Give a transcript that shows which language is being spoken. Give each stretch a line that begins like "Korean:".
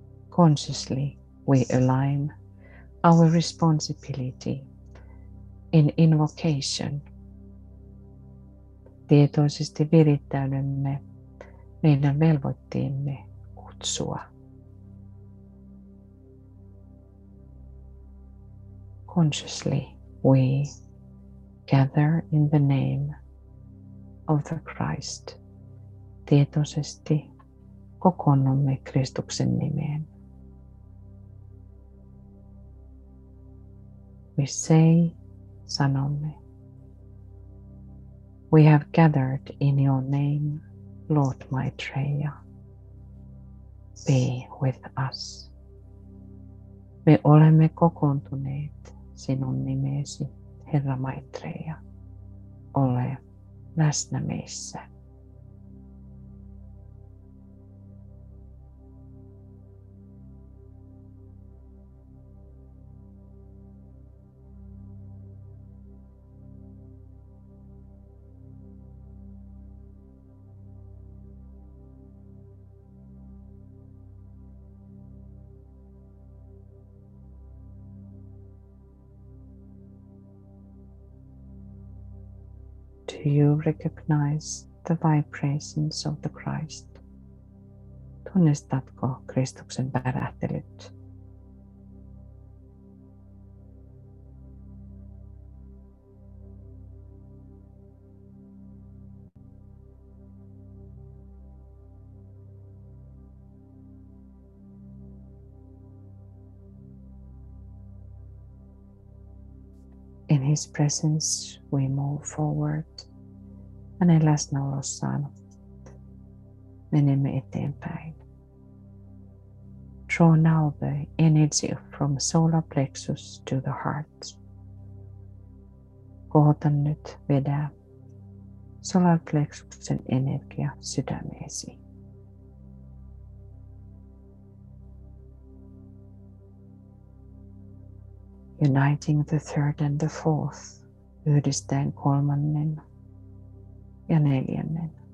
English: Consciously, we align our responsibility in invocation.
Finnish: Tietoisesti virittäydymme meidän velvoitteemme kutsua.
English: Consciously, we gather in the name of the Christ.
Finnish: Tietoisesti kokoonnumme Kristuksen nimeen.
English: We say,
Finnish: sanomme.
English: We have gathered in your name, Lord Maitreya. Be with us.
Finnish: Me olemme kokoontuneet sinun nimesi, Herra Maitreja. Ole läsnä meissä.
English: Do you recognize the vibrations of the Christ?
Finnish: Tunnistatko Kristuksen värähtelyt?
English: In his presence we move forward.
Finnish: Hänen läsnäolossaan menemme eteenpäin.
English: Draw now the energy from solar plexus to the heart.
Finnish: Kohota nyt vedä solar plexuksen energia sydämeesi.
English: Uniting the third and the fourth,
Finnish: yhdistäen kolmannen ja neljännen.